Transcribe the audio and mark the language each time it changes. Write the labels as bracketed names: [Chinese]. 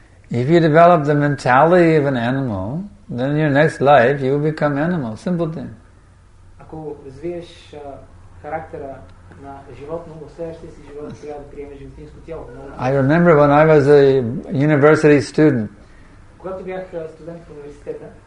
[English] If you develop the mentality of an animal, then in your next life you will become animal. Simple thing. [Bulgarian] Ако развиеш характера на животно, в следващия си живот трябва да приемеш животинско тяло. [English] I remember when I was a university student. [Bulgarian] Когато бях студент в университета.